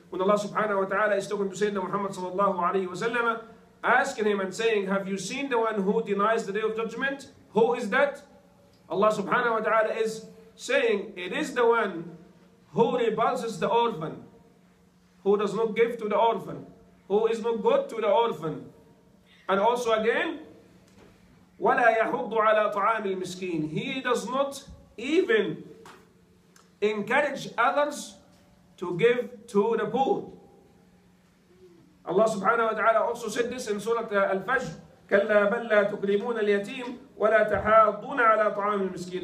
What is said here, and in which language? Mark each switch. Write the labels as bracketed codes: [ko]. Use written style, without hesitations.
[en] When Allah subhanahu wa ta'ala is talking to Sayyidina Muhammad sallallahu alayhi wa sallam, asking him and saying, have you seen the one who denies the day of judgment? Who is that? Allah subhanahu wa ta'ala is saying, it is the one who repulses the orphan, who does not give to the orphan, who is not good to the orphan. And also again, [ar] وَلَا يَحُضُّ عَلَىٰ طَعَامِ الْمِسْكِينِ. [en] He does not even encourage others to give to the poor. [ar] Allah subhanahu wa ta'ala [en] also said this in [ar] Surah Al-Fajr, كَلَّا بَلْ لَا تُكْرِمُونَ الْيَتِيمِ وَلَا تَحَاضُّونَ عَلَىٰ طَعَامِ الْمِسْكِينِ.